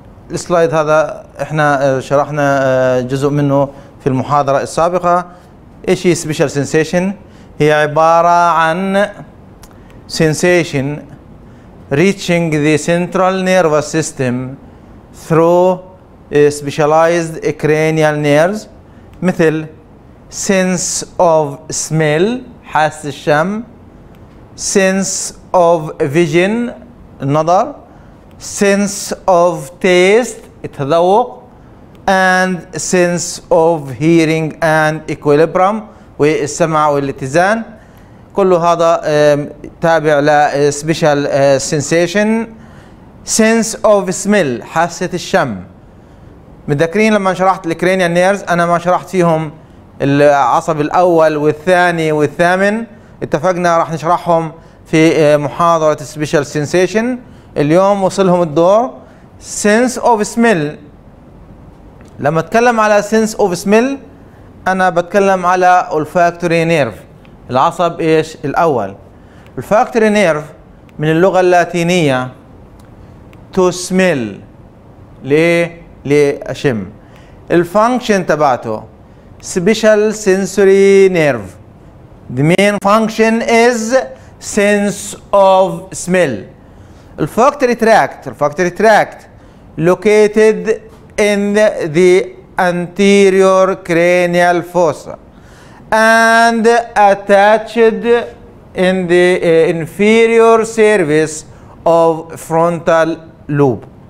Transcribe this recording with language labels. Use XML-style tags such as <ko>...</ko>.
<ar>السلايد هذا احنا شرحنا جزء منه في المحاضرة السابقة. ايش هي</ar> <en>Special Sensation؟</en> <ar>هي عبارة عن</ar> <en>sensation reaching the central nervous system through specialized cranial nerves,</en> <ar>مثل</ar> <en>sense of smell,</en> <ar>حاسة الشم,</ar> <en>sense of vision,</en> <ar>النظر,</ar> <en>sense of taste,</en> <ar>التذوق,</ar> <en>and sense of hearing and equilibrium,</en> <ar>والسمع والاتزان. كل هذا تابع ل special sensation.</ar> <en>sense of smell,</en> <ar>حاسة الشم. متذكرين لما شرحت الكرينيال نيرز انا ما شرحت فيهم العصب الاول والثاني والثامن؟ اتفقنا راح نشرحهم في محاضرة special sensation. اليوم وصلهم الدور.</ar> <en>sense of smell,</en> <ar>لما اتكلم على sense of smell انا بتكلم على olfactory nerve, العصب ايش الاول. olfactory nerve من اللغة اللاتينية to smell, ليه؟ لأشم. الفانكشن تبعته</ar> <en>special sensory nerve, the main function is sense of smell. olfactory tract located in the anterior cranial fossa and attached in the inferior surface of frontal lobe.</en>